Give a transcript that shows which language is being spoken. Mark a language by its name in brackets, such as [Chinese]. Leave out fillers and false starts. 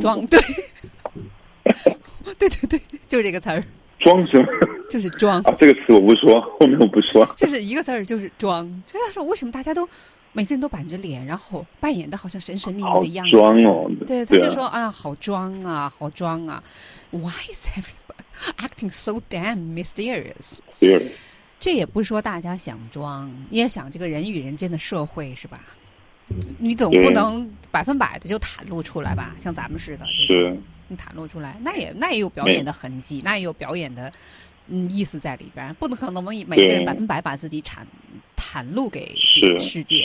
[Chinese] 装，对，对对对，就是这个词儿。装什么？就是装啊，这个词我不说，后面我不说，就是一个字儿，就是装。这要说为什么大家都每个人都板着脸，然后扮演的好像神神秘秘的样子，好装哦。对，他就说 啊， 好装啊，好装啊。 [English] Why is everybody acting so damn mysterious？ [Chinese] 这也不说大家想装，你也想这个人与人间的社会是吧？你总不能百分百的就袒露出来吧？像咱们似的，是你袒露出来，那也有表演的痕迹，那也有表演的意思在里边，不能可能每个人百分百把自己袒露给世界，